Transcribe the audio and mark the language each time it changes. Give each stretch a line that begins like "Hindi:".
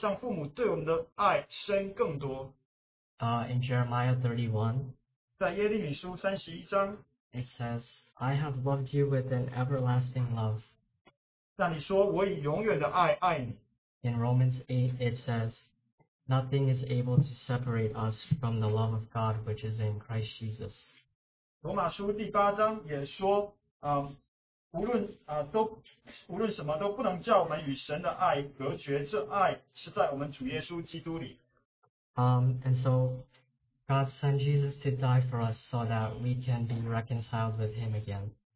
Chinese: 但是好消息乃是神天父对我们的爱也比我们地上父母对我们的爱深更多。
English: In Jeremiah 31,
Chinese: 在耶利米书31章,
English: it says, I have loved you with an everlasting love.
Chinese: 那你说我以永远的爱爱你。
English: In Romans 8, it says, nothing is able to separate us from the love of God which is in Christ Jesus.
Chinese: 罗马书第八章也说, 无论什么都不能叫我们与神的爱隔绝，这爱是在我们主耶稣基督里。
English: And so God sent Jesus to die for us so that we can be reconciled with him again.